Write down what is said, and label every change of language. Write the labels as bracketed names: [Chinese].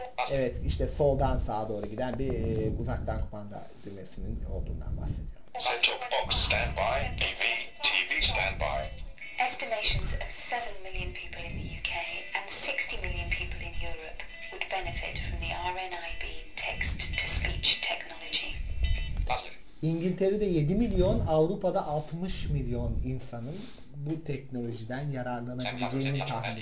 [Turkish] Evet, işte soldan sağa doğru giden bir uzaktan kumanda düğmesinin olduğundan bahsediyor. [English] Set-top box standby, AV, TV standby. Estimations of 7 million people in the UK and 60 million people in Europe would benefit from the RNIB text-to-speech technology. [Turkish] İngiltere'de 7 milyon, Avrupa'da 60 milyon insanın bu teknolojiden yararlanabileceğini tahmin